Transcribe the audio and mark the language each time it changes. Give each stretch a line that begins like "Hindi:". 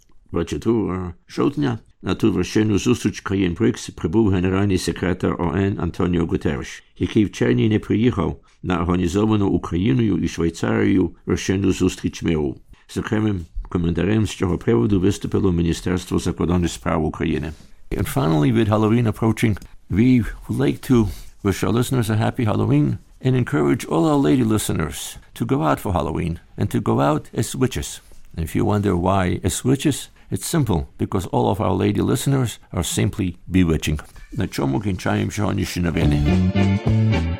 Ukrainian: 22 жовтня на ту вершину зустріч країн БРИКС прибув генеральний секретар ООН Антоніо Гутерреш, який в червні не приїхав на організовану Україною і Швейцарією вершину зустріч миру. Зокрема, коментарем з цього приводу виступило Міністерство закордонних справ України.
English: And finally, with Halloween approaching, we would like to wish our listeners a happy Halloween and encourage all our lady listeners to go out for Halloween and to go out as witches. And if you wonder why as witches, it's simple, because all of our lady listeners are simply bewitching.
Ukrainian: На чому кінчаємо сьогоднішні новини?